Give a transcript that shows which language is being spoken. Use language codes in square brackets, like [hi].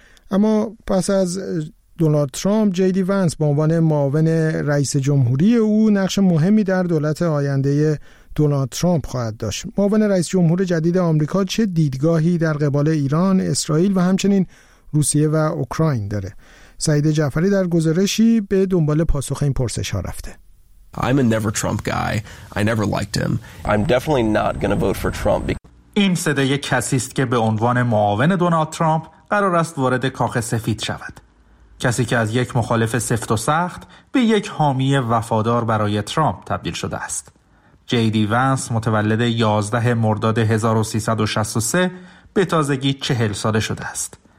[fa] اما پس از دونالد ترامپ، جی دی ونس به عنوان معاون رئیس جمهوری او نقش مهمی در دولت آینده دونالد ترامپ خواهد داشت. معاون رئیس جمهور جدید آمریکا چه دیدگاهی در قبال ایران، اسرائیل و همچنین روسیه و اوکراین داره؟ سعید جعفری در گزارشی به دنبال پاسخ این پرسش ها رفته. [en] I'm a never Trump guy. I never liked him. I'm definitely not going to vote for Trump. [fa] این صدای کسی است که به عنوان معاون دونالد ترامپ قرار است وارد کاخ سفید شود. کسی که از یک مخالف سفت و سخت به یک حامی وفادار برای ترامپ تبدیل شده است. جی دی ونس متولد 11 مرداد 1363 به تازگی 40 ساله شده است.